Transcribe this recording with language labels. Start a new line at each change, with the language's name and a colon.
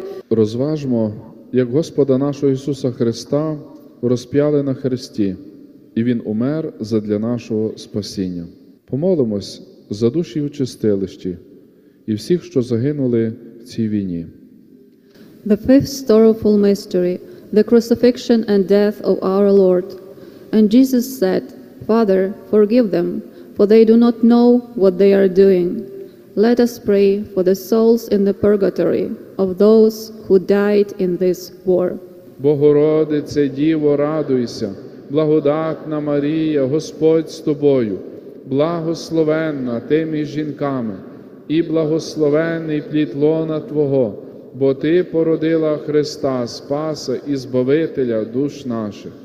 Ukrainian: розважмо, як Господа нашого Ісуса Христа розп'яли на хресті, і Він умер задля нашого спасіння. Помолимось за душі у чистилищі і всіх, що загинули в цій війні.
English: The fifth sorrowful mystery, the crucifixion and death of our Lord. And Jesus said, Father, forgive them, for they do not know what they are doing. Let us pray for the souls in the purgatory of those who died in this war.
Ukrainian: Богородице, Діво, радуйся, благодатна Марія, Господь з тобою, благословенна ти між жінками, і благословенний плід лона твого, бо ти породила Христа, Спаса і Збавителя душ наших.